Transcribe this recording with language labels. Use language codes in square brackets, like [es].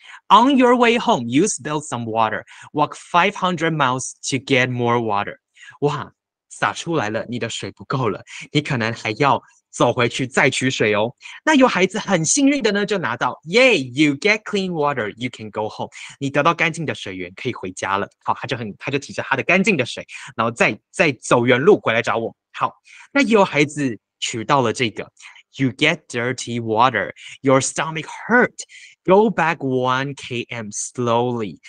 [en] On your way home, you spilled some water. Walk 500 miles to get more water. [zh] 哇，洒出来了，你的水不够了，你可能还要走回去再取水哦。那有孩子很幸运的呢，就拿到 ，Yay! [en] You get clean water, you can go home. [zh] 你得到干净的水源，可以回家了。好，他就提着他的干净的水，然后再走原路回来找我。好，那有孩子取到了这个 ， [en] You get dirty water. Your stomach hurt. Go back 1 km slowly.